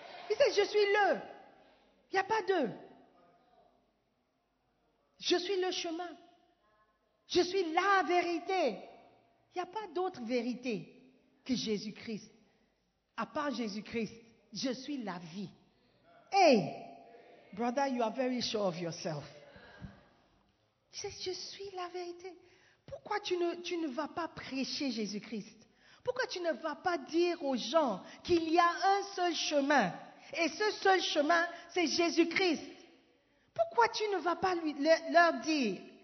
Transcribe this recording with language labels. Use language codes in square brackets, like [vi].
[fr] Il dit, je suis le, il n'y a pas deux. Je suis le chemin, je suis la vérité. Il n'y a pas d'autre vérité que Jésus-Christ, à part Jésus-Christ. Je suis la vie. [en] Hey, brother, you are very sure of yourself. [fr] Je suis la vérité. Pourquoi tu ne vas pas prêcher Jésus-Christ? Pourquoi tu ne vas pas dire aux gens qu'il y a un seul chemin? Et ce seul chemin, c'est Jésus-Christ. Pourquoi tu ne vas pas leur dire?